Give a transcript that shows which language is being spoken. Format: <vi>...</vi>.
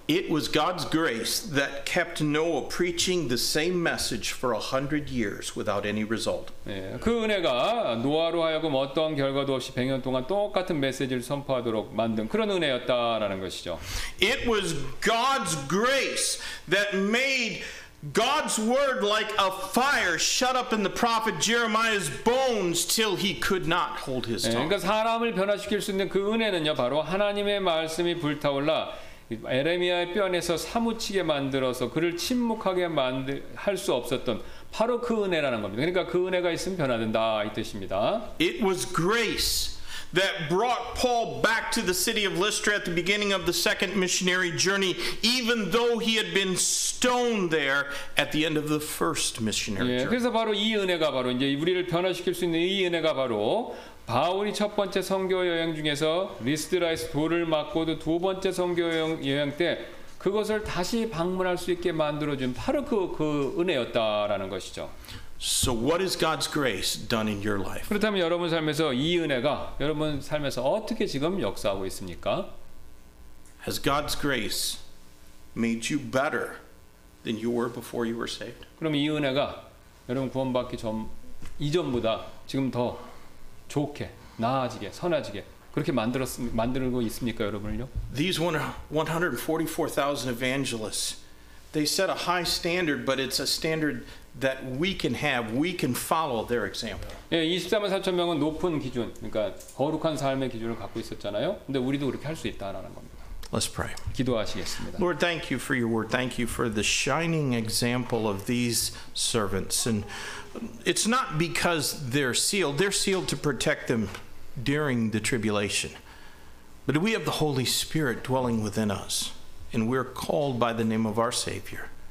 <en>It was God's grace that kept Noah preaching the same message for 100 years without any result.</en> <ko>예, 그 은혜가 노아로 하여금 어떤 결과도 없이 100년 동안 똑같은 메시지를 선포하도록 만든 그런 은혜였다라는 것이죠.</ko> <en>It was God's grace that made God's word like a fire shut up in the prophet Jeremiah's bones till he could not hold his tongue.</en> <ko>그러니까 사람을 변화시킬 수 있는 그 은혜는요, 바로 하나님의 말씀이 불타올라 에레미야의 뼈에서 사무치게 만들어서 그를 침묵하게 할 수 없었던 바로 그 은혜라는 겁니다. 그러니까 그 은혜가 있으면 변화된다 이 뜻입니다.</ko> <en>It was grace that brought Paul back to the city of Lystra at the beginning of the second missionary journey, even though he had been stoned there at the end of the first missionary journey.</en> <ko>예, 그래서 바로 이 은혜가 바로 이제 우리를 변화시킬 수 있는 이 은혜가 바로 바울이 첫 번째 선교 여행 중에서 리스드라에서 돌을 맞고도 두 번째 선교 여행 때 그것을 다시 방문할 수 있게 만들어준 바로 그 은혜였다라는 것이죠.</ko> <en>So what is God's grace done in your life?</en> <ko>그렇다면 여러분 삶에서 이 은혜가 여러분 삶에서 어떻게 지금 역사하고 있습니까?</ko> <en>Has God's grace made you better than you were before you were saved?</en> <ko>그럼 이 은혜가 여러분 구원받기 전 이전보다 지금 더 좋게 나아지게 선하지게 그렇게 만들고 있습니까, 여러분을요?</ko> <en>These 144,000 evangelists, they set a high standard, but it's a standard that we can have, we can follow their example.</en> <ko>예, 24만 4천 명은 높은 기준, 그러니까 거룩한 삶의 기준을 갖고 있었잖아요. 근데 우리도 그렇게 할 수 있다라는 겁니다.</ko> <en>Let's pray.</en> <ko>기도하시겠습니다.</ko> <en>Lord, thank you for your word. Thank you for the shining example of these servants. And it's not because they're sealed to protect them during the tribulation. But we have the Holy Spirit dwelling within us, and we're called by the name of our Savior.</en>